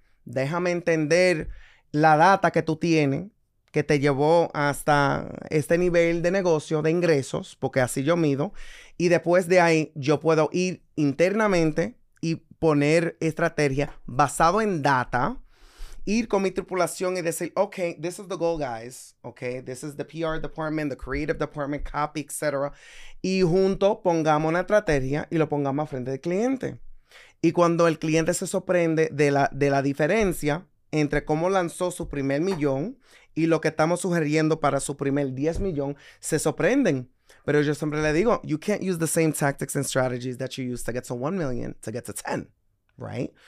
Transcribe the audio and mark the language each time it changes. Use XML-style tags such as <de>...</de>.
<es>Déjame entender la data que tú tienes que te llevó hasta este nivel de negocio, de ingresos, porque así yo mido, y después de ahí yo puedo ir internamente y poner estrategia basado en data ir con mi tripulación y decir, ok, this is the goal, guys.</es> <en>Ok, this is the PR department, the creative department, copy, etc.</en> <es>Y junto pongamos una estrategia y lo pongamos a frente del cliente. Y cuando el cliente se sorprende de la diferencia entre cómo lanzó su primer millón y lo que estamos sugiriendo para su primer 10 millones, se sorprenden.</es> <en>Pero yo siempre le digo, you can't use the same tactics and strategies that you used to get to 1 million to get to 10, right?</en>